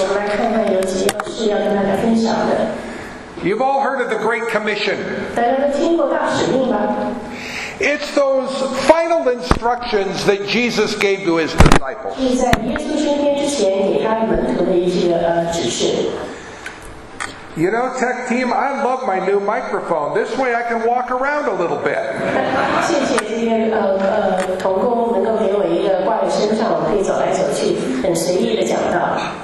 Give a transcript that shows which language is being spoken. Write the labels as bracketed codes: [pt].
[zh] 我们来看看有几件事要跟大家分享的。 [en] You've all heard of the Great Commission. [zh] 大家都听过大使命吧？ [en] It's those final instructions that Jesus gave to his disciples. [zh] 是在耶稣升天之前给他门徒的一些指示。 [en] You know, tech team, I love my new microphone. This way, I can walk around a little bit. [zh] 谢谢今天同工能够给我一个挂在身上，我可以走来走去，很随意的讲道。